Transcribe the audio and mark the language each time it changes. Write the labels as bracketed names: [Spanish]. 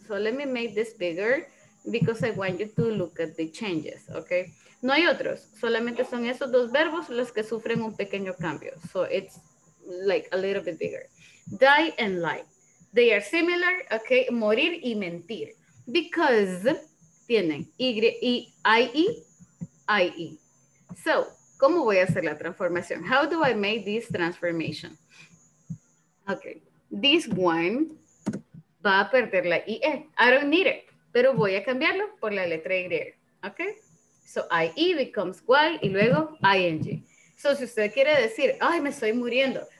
[English] So, let me make this bigger because I want you to look at the changes. [Spanish] Okay. No hay otros. Solamente son esos dos verbos los que sufren un pequeño cambio. [English] So, it's like a little bit bigger. Die and lie. They are similar. Okay. [Spanish] Morir y mentir. [English] Because [Spanish] tienen I-E. So, ¿cómo voy a hacer la transformación? [English] How do I make this transformation? Okay, this one, [Spanish] va a perder la IE. [English] I don't need it. [Spanish] Pero voy a cambiarlo por la letra Y. Okay? [English] So IE becomes Y [Spanish] y luego ING. So si usted quiere decir, ay, me estoy muriendo.